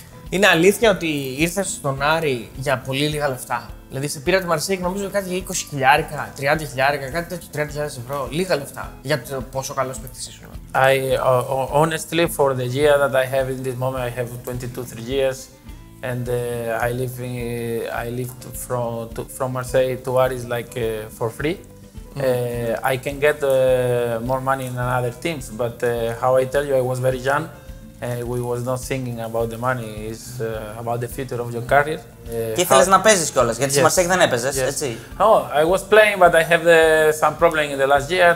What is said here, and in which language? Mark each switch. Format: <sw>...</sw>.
<el>Είναι αλήθεια ότι ήρθες στον Άρη για πολύ λίγα λεφτά? Δηλαδή, σε πήρα τη Μαρσέικ, νομίζω κάτι για 20 χιλιάρικα, 30 χιλιάρικα, κάτι τέτοιο, 30 χιλιάδες ευρώ. Λίγα λεφτά για το πόσο καλό παίκτης ήσουν.</el> <en>I honestly, for the year that I have in this moment, I have 22-3 years, and I lived from Marseille to Paris like for free. I can get more money in other teams, but how I tell you, I was very young, and we was not thinking about the money. It's about the future of your career.</en> <el>Και ήθελες να παίζεις κιόλας, γιατί στη Μαρσέικ δεν έπαιζες, έτσι.</el> <en>Oh, I was playing, but I have some problem in the last year.</en>